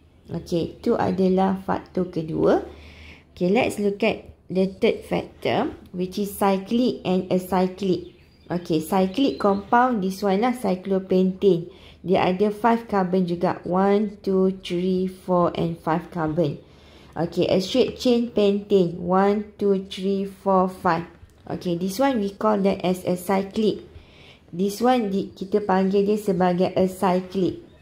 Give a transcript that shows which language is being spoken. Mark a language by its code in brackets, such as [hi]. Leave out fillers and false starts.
[ms] Okay, tu adalah faktor kedua. [en] Okay, let's look at the third factor, which is cyclic and acyclic. Okay, cyclic compound, this one lah, cyclopentane. [ms] Dia ada 5 carbon juga. 1, 2, 3, 4 and 5 carbon. [en] Okay, a straight chain pentane. 1, 2, 3, 4, 5. Okay, this one we call that as acyclic. This one [ms] kita panggil dia sebagai acyclic.